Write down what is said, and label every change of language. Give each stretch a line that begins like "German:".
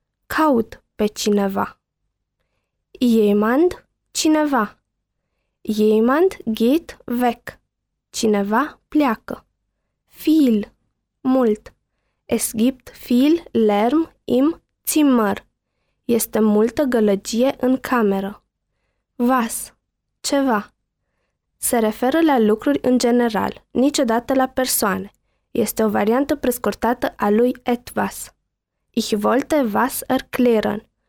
Romanian: Caut pe cineva. Jemand, cineva.
German: Jemand geht weg.
Romanian: Cineva pleacă. Viel, mult.
German: Es gibt viel Lärm im Zimmer.
Romanian: Este multă gălăgie în cameră.
German: Was,
Romanian: ceva. Se referă la lucruri în general, niciodată la persoane. Este o variantă prescurtată a lui etwas.
German: Ich wollte was erklären.